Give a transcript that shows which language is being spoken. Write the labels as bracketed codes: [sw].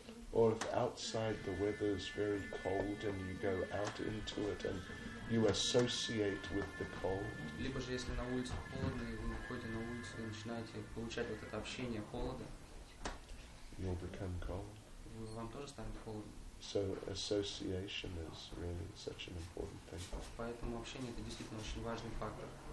[en] Or if outside the weather is very cold and you go out into it and you associate with the cold. [ru] Либо же если на улице холодно и вы выходите на улицу и начинаете получать вот это общение холода. [en] You'll become cold. [ru] Вам тоже станет холодно. [en] So association is really such an important thing. [ru] Поэтому общение это действительно очень важный фактор.